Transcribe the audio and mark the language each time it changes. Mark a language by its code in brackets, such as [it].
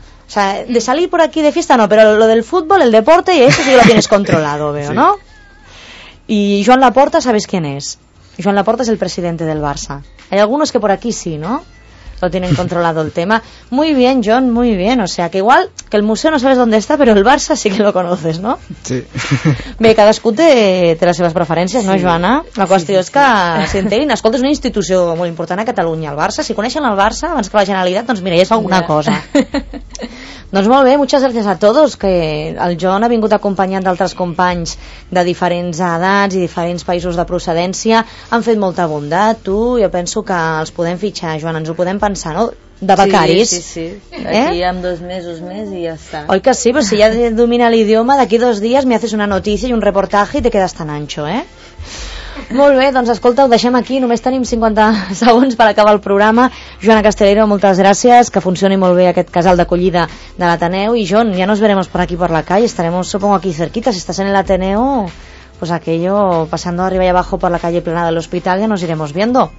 [es] O sea, de salir por aquí de fiesta no, pero lo del fútbol, el deporte, eso sí lo tienes controlado, veo, sí. ¿No? Y Joan Laporta, ¿sabes quién es? Joan Laporta es el presidente del Barça. Hay algunos que por aquí sí, ¿no? Lo tienen controlado el tema. Muy bien, John, muy bien. O sea, que igual que el museo no sabes dónde está, pero el Barça sí que lo conoces, ¿no? Sí. [ca] Bé, cadascú té les seves preferències, sí. No, Joana? La qüestió sí, sí, és que s'entenguin. Escolta, és una institució molt important a Catalunya, el Barça. Si coneixen el Barça abans que la Generalitat, doncs mira, ja és alguna cosa. Doncs molt bé, moltes gràcies a tots, que el John ha vingut acompanyat d'altres companys de diferents edats i diferents països de procedència, han fet molta bondat, tu, jo penso que els podem fitxar, Joan, ens ho podem pensar, no?, de becaris. Sí, sí, sí, aquí amb dos mesos més i ja està. Oi que sí, però si ja domina l'idioma, d'aquí dos dies [es] me haces [ca] una notícia i un reportatge i [es] te quedes tan ancho, [ca] eh? Molt bé, doncs escolta, ho deixem aquí, només tenim 50 segons per acabar el programa. Joana Castellero, moltes gràcies, que funcioni molt bé aquest casal d'acollida de l'Ateneu. [es] I John, ja nos veremos por aquí por la calle, estaremos supongo aquí cerquita, si estás en el Ateneo, pues aquello, pasando arriba y abajo por la calle Plana del Hospital, ya nos iremos viendo.